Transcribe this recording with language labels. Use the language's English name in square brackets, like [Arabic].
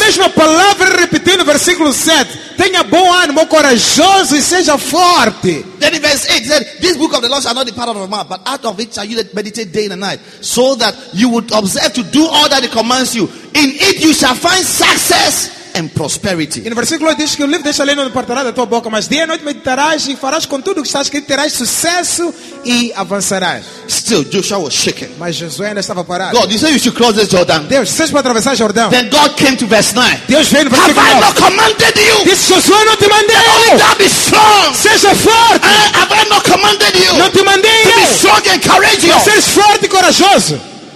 [Portuguese] A mesma palavra repetida no versículo 7. Tenha bom ânimo, corajoso e seja forte. [English] Then in verse 8 said, this book of the law shall not depart out of your mouth, but out of it shall you meditate day and night, so that you would observe to do all that it commands you. In it you shall find success and prosperity. [Portuguese] No versículo 8 diz que o livro deixa a lei não departará da tua boca, mas dia e noite meditarás e farás com tudo o que está escrito, terás sucesso e avançarás. [English] Still, Joshua was shaken. [Portuguese] Mas Josué ainda estava parado. [English] God, you said you should cross this Jordan. [Portuguese] Deus, vocês vão atravessar Jordão. [English] Then God came to verse 9. [Portuguese] Deus veio no versículo [English] 9. Have I not commanded you? [Portuguese] Disse, Josué, não te mandei. [English] Only thou be strong. [Portuguese] Seja forte. [English] Have I not commanded you? [Portuguese] Não te mandei. [English] To be strong and courageous. [Portuguese] Seja forte e corajoso.